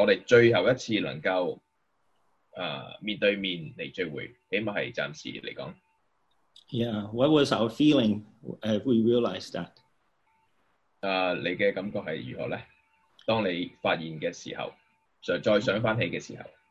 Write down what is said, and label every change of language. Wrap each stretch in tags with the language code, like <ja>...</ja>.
<zh>对上一次我们能够面对面聚会的时候，不知道我们有没有想到那一次就是我们最后一次能够 面对面来聚会，起码是暂时来讲。</zh> <en>Yeah, what was our feeling if we realized that?</en> <zh>你的感觉是如何呢? 当你发现的时候，再想起的时候。</zh>